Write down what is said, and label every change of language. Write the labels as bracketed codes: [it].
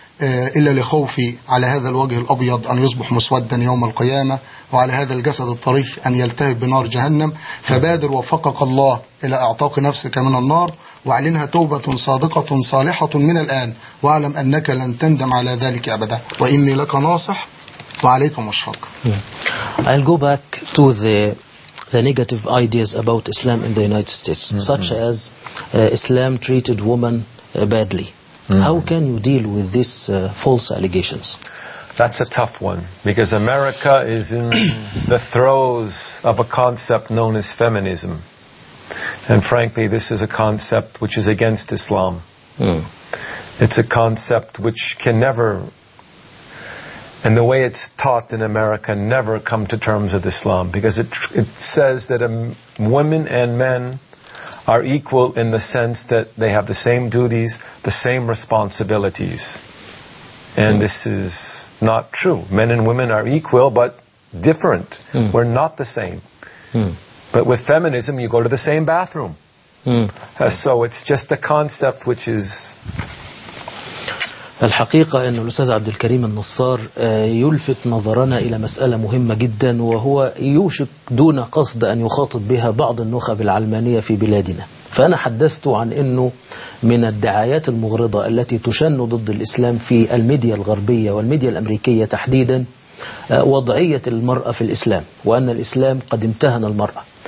[ar] إلا لخوفي على هذا الوجه الأبيض أن يصبح مسودا يوم القيامة وعلى هذا الجسد الطريف أن يلتهب بنار جهنم. فبادر وفقك الله إلى اعتاق نفسك من النار وأعلنها توبة صادقة صالحة من الآن، وأعلم أنك لن تندم على ذلك أبدا، وإني لك ناصح وعليكم مشفق. [en] I'll go back to the negative ideas about Islam in the United States, such as Islam treated women badly. How can you deal with these false allegations? That's a tough one, because America is in the throes of a concept known as feminism. And frankly, this is a concept which is against Islam. It's a concept which can never, and the way it's taught in America, never come to terms with Islam, because it says that women and men are equal in the sense that they have the same duties, the same responsibilities. And this is not true. Men and women are equal, but different. We're not the same. But with feminism, you go to the same bathroom. So it's just a concept which is... [ar] الحقيقة أن الأستاذ عبد الكريم النصار يلفت نظرنا إلى مسألة مهمة جدا، وهو يوشك دون قصد أن يخاطب بها بعض النخب العلمانية في بلادنا. فأنا حدثته عن أنه من الدعايات المغرضة التي تشن ضد الإسلام في الميديا الغربية والميديا الأمريكية تحديدا وضعية المرأة في الإسلام، وأن الإسلام قد امتهن المرأة.